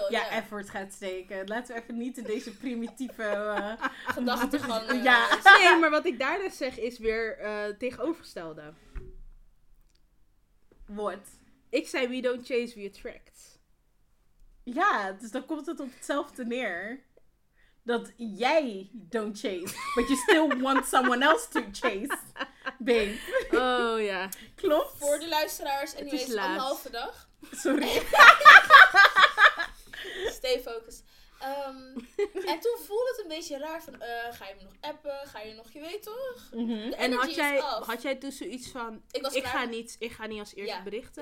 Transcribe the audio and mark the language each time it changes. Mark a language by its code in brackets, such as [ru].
[nl] Effort gaat steken. Laten we even niet in deze primitieve gedachten gaan. Nee, maar wat ik daar dus zeg is weer tegenovergestelde. [en] What? [nl] Ik zei, [en] we don't chase, we attract. [nl] Ja, dus dan komt het op hetzelfde neer. Dat jij [en] don't chase, but you still want someone else to chase, babe. [nl] Oh ja. Klopt. Voor de luisteraars, en het is anderhalve dag. Sorry. [en] Stay focused. [nl] En toen voelde het een beetje raar van, ga je me nog appen? Ga je nog, je weet toch? Mm-hmm. En had jij toen zoiets van, ik ga niet als eerste berichten?